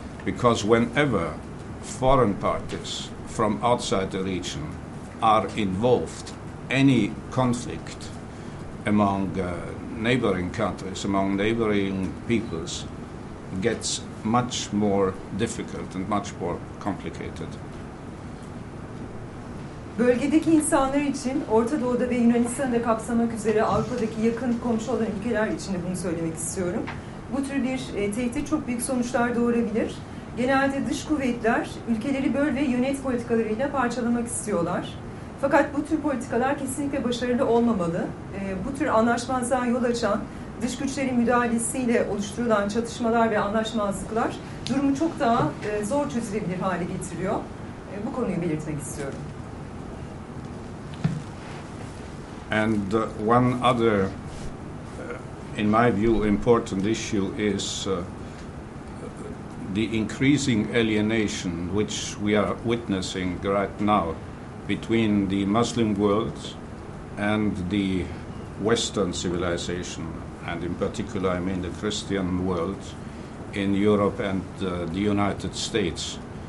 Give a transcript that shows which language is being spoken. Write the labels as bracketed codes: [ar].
[en] Because whenever foreign parties from outside the region are involved, any conflict among neighboring countries, among neighboring peoples, gets much more difficult and much more complicated. [tr] Bölgedeki insanlar için, Orta Doğu'da ve Yunanistan'da kapsamak üzere Avrupa'daki yakın komşu olan ülkeler için de bunu söylemek istiyorum. Bu tür bir tehdit çok büyük sonuçlar doğurabilir. Genelde dış kuvvetler ülkeleri böl ve yönet politikalarıyla parçalamak istiyorlar. Fakat bu tür politikalar kesinlikle başarılı olmamalı. Bu tür anlaşmazlığa yol açan dış güçlerin müdahalesiyle oluşturulan çatışmalar ve anlaşmazlıklar durumu çok daha zor çözülebilir hale getiriyor. Bu konuyu belirtmek istiyorum. [en] And one other, in my view, important issue is the increasing alienation which we are witnessing right now between the Muslim world and the Western civilization, and in particular, I mean, the Christian world in Europe and the United States.